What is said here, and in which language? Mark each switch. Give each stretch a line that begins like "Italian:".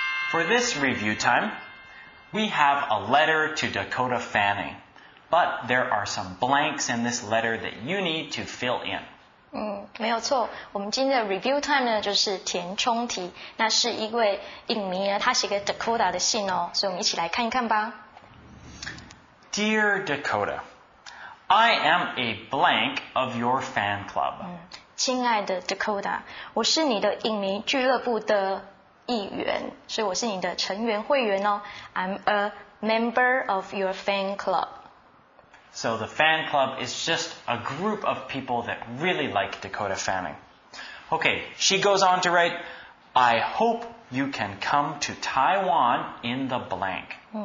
English: For this review time, we have a letter to Dakota Fanning, but there are some blanks in this letter that you need to fill in.
Chinese: 没有错，我们今天的 review time 呢，就是填充题。那是一位影迷呢，他写给 Dakota 的信哦，所以我们一起来看一看吧。
English: Dear Dakota, I am a blank of your fan club.
Chinese: 亲爱的 Dakota, 我是你的影迷俱乐部的一员，所以我是你的成员会员哦。
English: I'm a member of your fan club. So the fan club is just a group of people that really like Dakota Fanning. Okay, she goes on to write, I hope you can come to Taiwan in the blank.